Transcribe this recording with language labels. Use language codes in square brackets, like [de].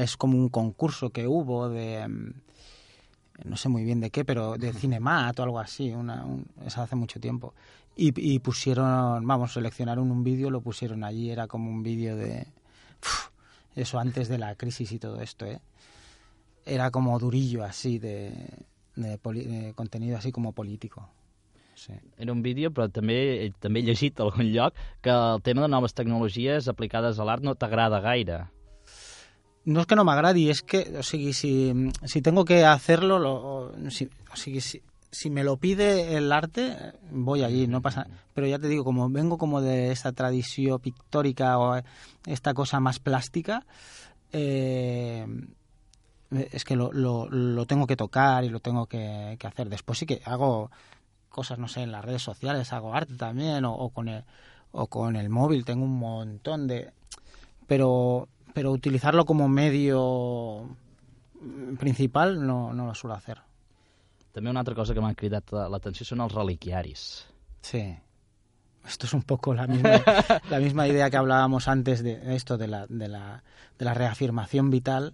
[es] Es como un concurso que hubo de... No sé muy bien de qué, pero de Cinemat o algo así. Es hace mucho tiempo. Y pusieron... Vamos, seleccionaron un vídeo, lo pusieron allí. Era como un vídeo de... Eso antes de la crisis y todo esto, ¿eh? Era como durillo así, de contenido así como político. Sí. [ca] Era un vídeo, però també he llegit a algun lloc que el tema de noves tecnologies aplicades a l'art no t'agrada gaire. [es] No es que [ca] no m'agradi, [es] es que, [ca] o sigui, [es] si tengo que hacerlo, si me lo pide el arte, voy allí, no pasa. Pero ya te digo, como vengo como de esta tradición pictórica o esta cosa más plástica, es que lo tengo que tocar y lo tengo que hacer. Después sí que hago cosas, no sé, en las redes sociales, hago arte también o con el móvil, tengo un montón de... Pero utilizarlo como medio principal no lo suelo hacer. [ca] També una altra cosa que m'ha cridat l'atenció són els reliquiaris. Sí. [es] Esto es un poco la misma idea que hablábamos antes de esto, de la reafirmación vital.